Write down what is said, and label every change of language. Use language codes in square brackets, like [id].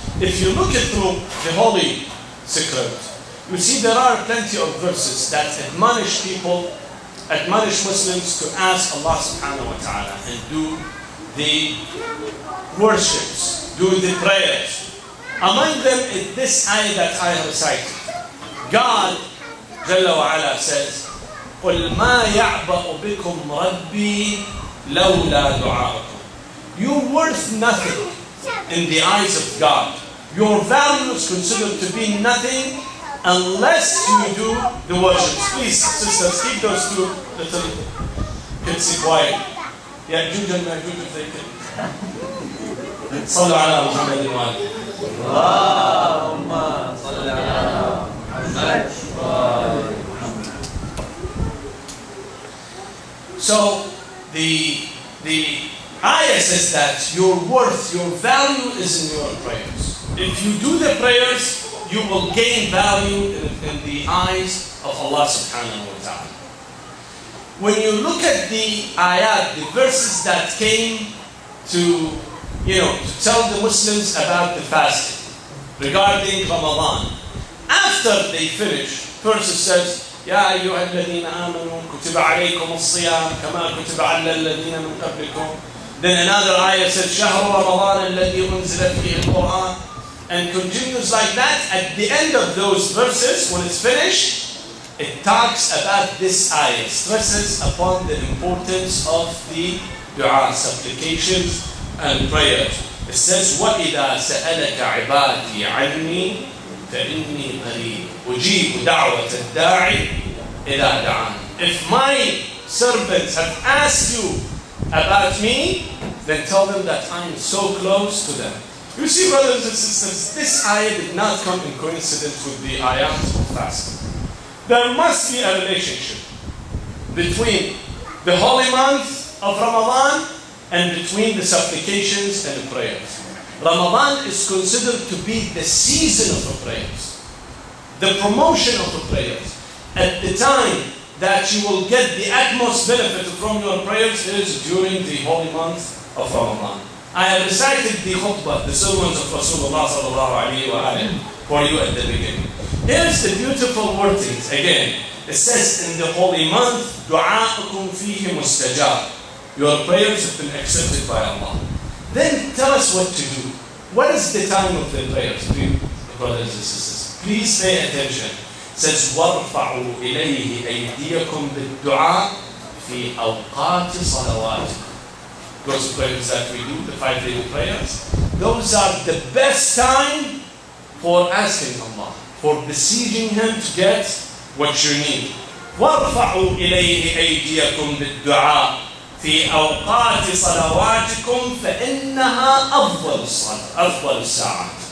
[en] If you look it through the holy secret, you see there are plenty of verses that admonish people, admonish Muslims to ask Allah subhanahu wa ta'ala and do the worships, do the prayers. Among them is this ayah that I recited. God, Jalla wa Ala, says, [ar] قُلْ مَا يَعْبَأُ بِكُمْ رَبِّي لَوْلَا دُعَاءُكُمْ. [en] You're worth nothing in the eyes of God. Your values considered to be nothing unless you do the worships. Please, sisters, keep those two little kids quiet. Yeah, you can take it. [ar] صلى على محمد وآل. اللهم صل على محمد وآل محمد. [en] So the ayah says that your worth, your value is in your prayers. If you do the prayers, you will gain value in the eyes of Allah subhanahu wa ta'ala. When you look at the ayat, the verses that came to, you know, to tell the Muslims about the fasting regarding Ramadan, after they finish, first it says, [ar] يَا أَيُّهَا الَّذِينَ آمَنُوا كُتِبَ عَلَيْكُمُ الصِّيَامُ كَمَا كُتِبَ عَلَى الَّذِينَ مِنْ قَبْلِكُمْ. [en] Then another ayah says, [ar] شَهْرُ رَمَضَانَ الَّذِي أُنزِلَ فِيهِ الْقُرْآنِ, [en] and continues like that. At the end of those verses, when it's finished, it talks about this ayah, stresses upon the importance of the dua, supplications and prayers. It says, [ar] وَإِذَا سَأَلَكَ عِبَادِي عَنِّي فَإِنِّي قَرِيبٌ أُجِيبُ دَعْوَةَ الدَّاعِي إِذَا دَعَانِ. [en] If my servants have asked you about me, then tell them that I am so close to them. You see, brothers and sisters, this ayah did not come in coincidence with the ayahs of fasting. There must be a relationship between the holy month of Ramadan and between the supplications and the prayers. Ramadan is considered to be the season of the prayers, the promotion of the prayers. At the time that you will get the utmost benefit from your prayers is during the holy month of Ramadan. I have recited the khutbah, the sermons of Rasulullah sallallahu alayhi wa alayhi, for you at the beginning. Here's the beautiful wordings again. It says, in the holy month, [ar] du'a'ukum fihi mustajab. [en] Your prayers have been accepted by Allah. Then tell us what to do. What is the time of the prayers, brothers and sisters? Please pay attention. It says, [ar] وَرْفَعُوا إِلَيْهِ أَيْدِيَكُمْ بِالدُّعَاءِ فِي أَوْقَاتِ صَلَوَاتِكُمْ. [en] Those prayers that we do, the five daily prayers, those are the best time for asking Allah, for besieging Him to get what you need. [ar] وَارْفَعُوا إِلَيْهِ أَيْدِيَكُمْ بِالدُّعَاءِ فِي أَوْقَاتِ صَلَوَاتِكُمْ فَإِنَّهَا أَفْضَلُ الصَّلَاةِ أَفْضَلُ السَّاعَةِ.